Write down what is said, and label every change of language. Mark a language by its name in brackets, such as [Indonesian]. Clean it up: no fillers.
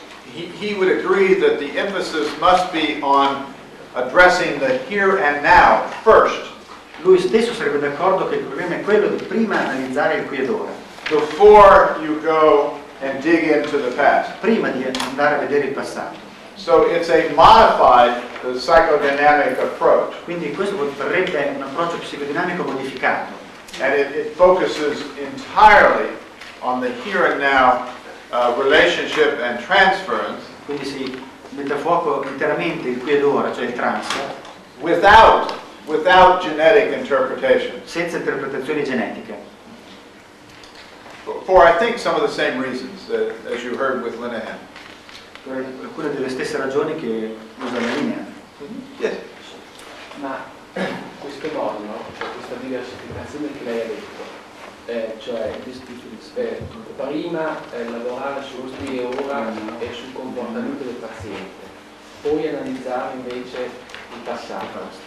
[English] he would agree that the emphasis must be on addressing the here and now first. [Italian] Lui stesso sarebbe d'accordo che il problema è quello di prima analizzare il qui ed ora. [English] Before you go and dig into the past. [Italian] Prima di andare a vedere il passato. [English] So it's a modified psychodynamic approach. [Italian] Quindi questo potrebbe un approccio psicodinamico modificato. [English] And it focuses entirely on the here and now relationship and transference. [Italian] Quindi si mette a fuoco interamente il qui ed ora, cioè il transfer. [English] Without genetic interpretation. [Italian] Senza interpretazioni genetiche. [English] For I think some of the same reasons that, as you heard with Linehan. [Italian] Per alcune delle stesse ragioni che usa la linea. [English] Mm-hmm. Yes. [Italian] Ma questa diversificazione che lei ha detto, cioè prima lavorare su usi e ora e sul comportamento del paziente, poi analizzare invece il passato,